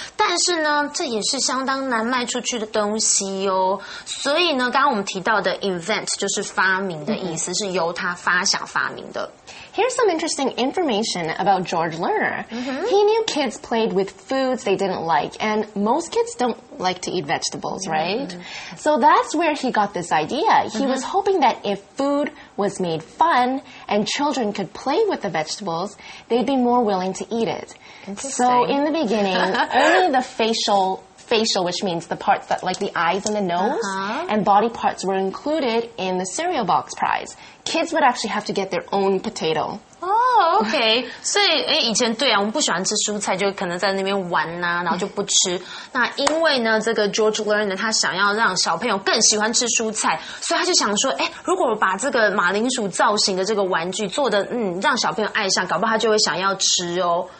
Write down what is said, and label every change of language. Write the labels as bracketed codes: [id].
[zh] 但是呢，这也是相当难卖出去的东西哦。所以呢，刚刚我们提到的 invent 就是发明的意思、是由他发想发明的。 [en] Here's some interesting information about George Lerner.、He knew kids played with foods they didn't like, and most kids don't like to eat vegetables, right?、So that's where he got this idea. He、was hoping that if food was made fun and children could play with the vegetables, they'd be more willing to eat it. So in the beginning, only the facial, which means the parts that, like the eyes and the nose,、and body parts were included in the cereal box prize. Kids would actually have to get their own potato. Oh, okay. [zh] 所以、以前对啊，我们不喜欢吃蔬菜，就可能在那边玩啊，然后就不吃。那因为呢，这个 George Lerner 他想要让小朋友更喜欢吃蔬菜，所以他就想说，如果我把这个马铃薯造型的这个玩具做的，让小朋友爱上，搞不好他就会想要吃哦。